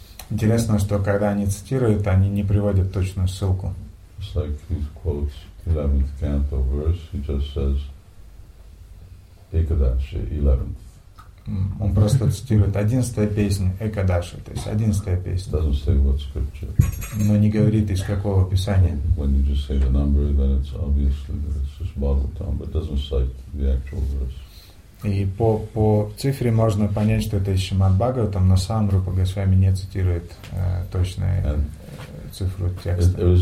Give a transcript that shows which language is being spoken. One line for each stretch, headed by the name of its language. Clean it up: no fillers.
Russian: Интересно, что когда они цитируют, они не приводят точную ссылку.
English: It's like he quotes 11th canto verse, he just says Ekadashi, 11th.
Russian: Он просто цитирует 11-я песня Экадаши, то есть 11-я песня.
English: Doesn't say what scripture.
Russian: Но не говорит, из какого писания.
English: When you just say the number, then it's obviously that it's just Bhagavatam, but doesn't cite the actual verse.
Russian: И по цифре можно понять, что это Шримад Бхагаватам, но сам Рупа Госвами не цитирует точную цифру текста.